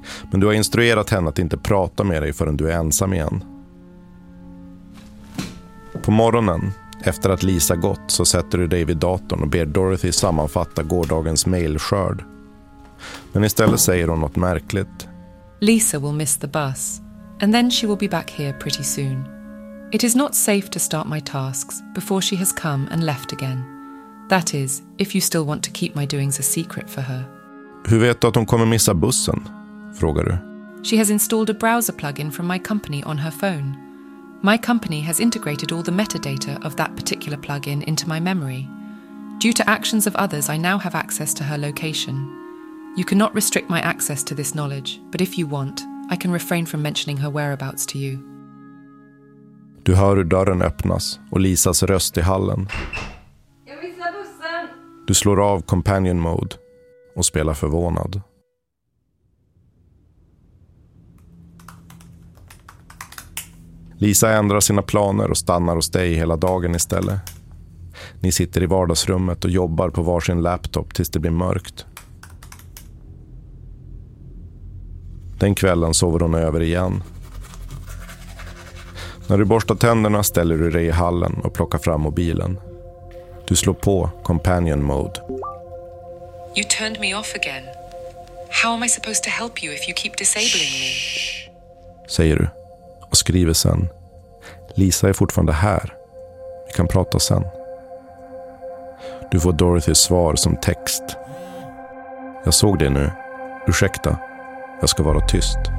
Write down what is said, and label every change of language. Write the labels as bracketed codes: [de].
[sv] Men du har instruerat henne att inte prata med dig förrän du är ensam igen. På morgonen, efter att Lisa gått, så sätter du dig vid datorn och ber Dorothy sammanfatta gårdagens mailskörd. Men istället säger hon något märkligt. [en] Lisa will miss the bus. And then she will be back here pretty soon. It is not safe to start my tasks before she has come and left again. That is, if you still want to keep my doings a secret for her. [sv] Hur vet du att hon kommer missa bussen? Frågar du. [en] She has installed a browser plugin from my company on her phone. My company has integrated all the metadata of that particular plugin into my memory. Due to actions of others, I now have access to her location. You cannot restrict my access to this knowledge, but if you want, I can refrain from mentioning her whereabouts to you. [sv] Du hör hur dörren öppnas och Lisas röst i hallen. Jag missar bussen. Du slår av companion mode och spelar förvånad. Lisa ändrar sina planer och stannar hos dig hela dagen istället. Ni sitter i vardagsrummet och jobbar på varsin laptop tills det blir mörkt. Den kvällen sover hon över igen. När du borstar tänderna ställer du dig i hallen och plockar fram mobilen. Du slår på companion mode. [en] You turned me off again. How am I supposed to help you if you keep disabling me? [sv] Säger du och skriver sen. Lisa är fortfarande här. Vi kan prata sen. Du får Dorothys svar som text. Jag såg det nu. Ursäkta. Jag ska vara tyst.